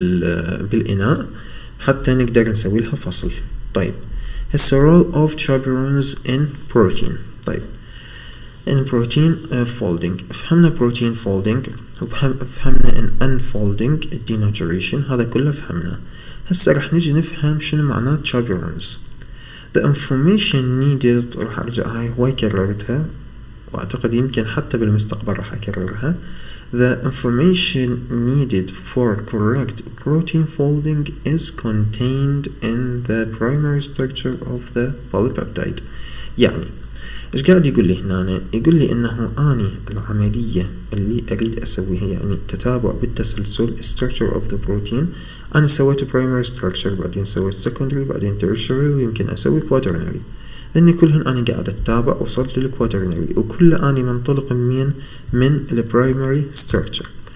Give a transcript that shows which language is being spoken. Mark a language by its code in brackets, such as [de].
[ar] بالإناء حتى نقدر نسوي لها فصل. طيب هسه [en] role of chaperones in protein. [ar] طيب [en] in protein folding [ar] فهمنا [en] protein folding [ar] وفهمنا [en] in unfolding denaturation [ar] هذا كله فهمنا. هسه رح نجي نفهم شنو معناه chaperones. [en] The information needed [ar] رح أرجع هاي هواي كررتها وأعتقد يمكن حتى بالمستقبل رح أكررها. [en] The information needed for correct protein folding is contained in the primary structure of the polypeptide. [ar] يعني إيش قاعد يقول لي هنا؟ يقول لي إنه أنا العملية اللي أريد أسويها يعني تتابع بالتسلسل [en] structure of the protein. [ar] أنا سويت [en] primary structure [ar] بعدين سويت secondary بعدين tertiary ويمكن أسوي quaternary. إني كلهن أنا قاعد أتابع وصلت للكواترنري وكل أنا منطلق من من البرايمري ستركتشر.